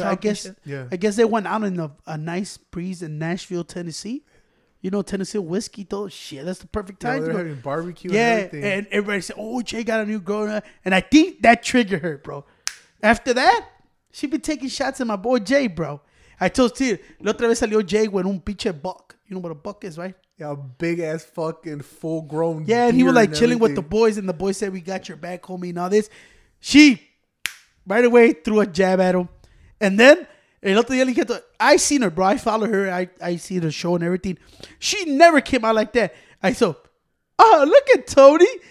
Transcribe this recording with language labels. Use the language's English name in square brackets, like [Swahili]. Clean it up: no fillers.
[English] So I guess I guess they went out in a nice breeze in Nashville, Tennessee. You know, Tennessee whiskey, though. Shit, that's the perfect time. Yeah, they're having barbecue and everything. Yeah, and everybody said, oh, Jay got a new girl. And I think that triggered her, bro. After that, she been taking shots at my boy Jay, bro. I told Steve, [Spanish] la otra vez salió Jay con un pinche buck. [English] You know what a buck is, right? Yeah, a big-ass fucking full-grown deer. Yeah, and he was, like, chilling with the boys. And the boys said, we got your back, homie, and all this. She, right away, threw a jab at him. And then... I seen her, bro. I follow her. I see the show and everything. She never came out like that. I saw, oh, look at Tony.